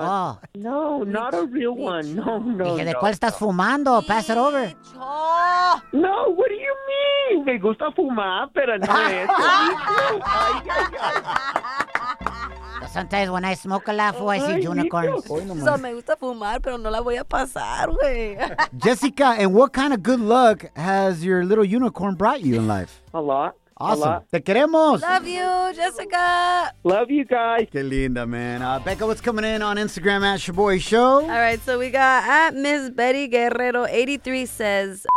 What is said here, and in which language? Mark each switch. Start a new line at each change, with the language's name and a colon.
English: Oh. No, not a real one. No, no,
Spanish: dije, ¿De cuál estás fumando?
English: Pass it over.
Spanish: No,
English: what do you mean?
Spanish: Me gusta fumar, pero no es.
English: Sometimes when I smoke a lot, I see unicorns.
Spanish: So me gusta fumar, pero no la voy a pasar, güey.
English: Jessica, and what kind of good luck has your little unicorn brought you in life? A lot. Awesome.
Spanish: Te queremos.
English: Love you, Jessica. Love you guys.
Spanish: Qué linda, man.
English: Becca, what's coming in on Instagram at your boy show? All right, so we got at Miss Betty Guerrero 83 says,